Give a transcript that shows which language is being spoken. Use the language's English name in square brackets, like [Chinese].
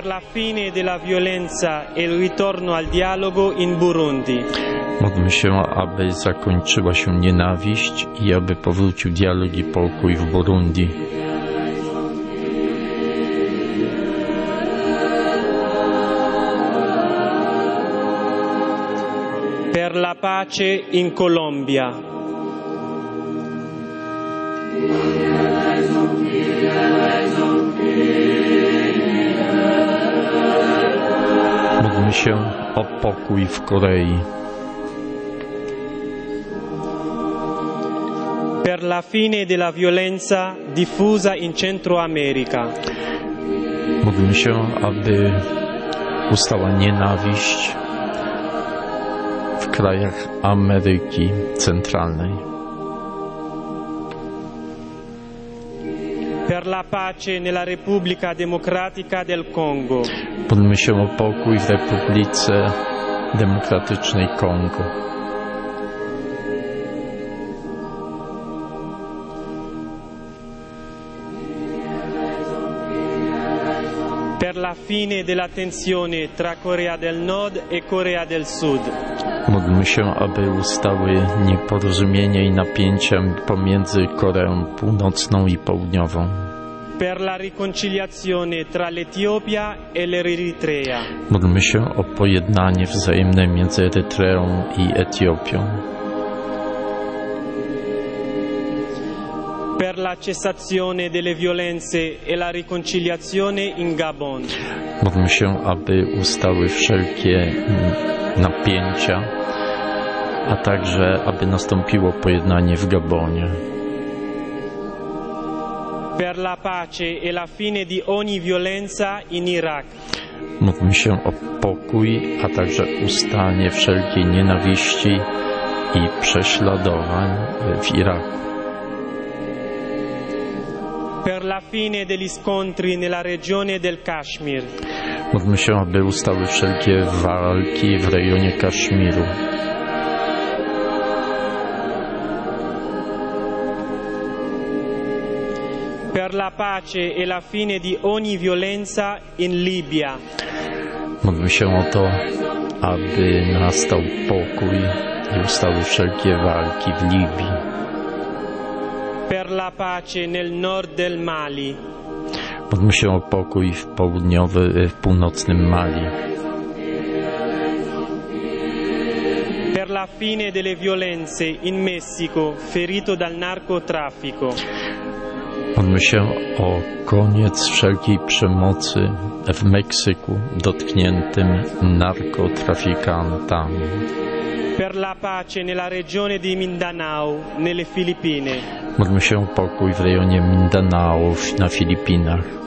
[Italian] Fine della violenza e il ritorno al dialogo in Burundi. [Polish] Modlmy się, aby zakończyła się nienawiść i aby powrócił dialog i pokój w Burundi. [Italian] Per la pace in Colombia. [Polish] Się o pokój w Korei. [Italian] Per la fine della violenza diffusa in Centro America. [Polish] Módlmy się, aby ustała nienawiść w krajach Ameryki Centralnej. [Italian] Per la pace nella Repubblica Democratica del Congo. [Polish] Módlmy się o pokój w Republice Demokratycznej Kongo. [Italian] Per la fine della tensione tra Corea del Nord e Corea del Sud. [Polish] Módlmy się, aby ustały nieporozumienia i napięcia pomiędzy Koreą Północną i Południową. [Italian] per la riconciliazione tra l'Etiopia e l'Eritrea. [Polish] Modlmy się o pojednanie wzajemne między Erytreą i Etiopią. [Italian] Per la cessazione delle violenze e la riconciliazione in Gabon. [Polish] Modlmy się, aby ustały wszelkie napięcia, a także aby nastąpiło pojednanie w Gabonie. [Italian] Per la pace e la fine di ogni violenza in Iraq. [Polish] Modlmy się o pokój, a także ustanie wszelkiej nienawiści i prześladowań w Iraku. [Italian] Per la fine degli scontri nella regione del Kashmir. [Polish] Modlmy się, aby ustały wszelkie walki w rejonie Kaszmiru. [Italian] Per la pace e la fine di ogni violenza in Libia. [Polish] Modlmy się o to, aby nastał pokój i ustały wszelkie walki w Libii. [Italian] Per la pace nel nord del Mali. [Polish] Modlmy się o pokój w północnym Mali. [Italian] Per la fine delle violenze in Messico, ferito dal narcotraffico. [Polish] Modlmy się o koniec wszelkiej przemocy w Meksyku, dotkniętym narkotrafikantami. [Italian] Per la pace nella regione di Mindanao, nelle Filippine. [Polish] Modlmy się o pokój w rejonie Mindanao, na Filipinach.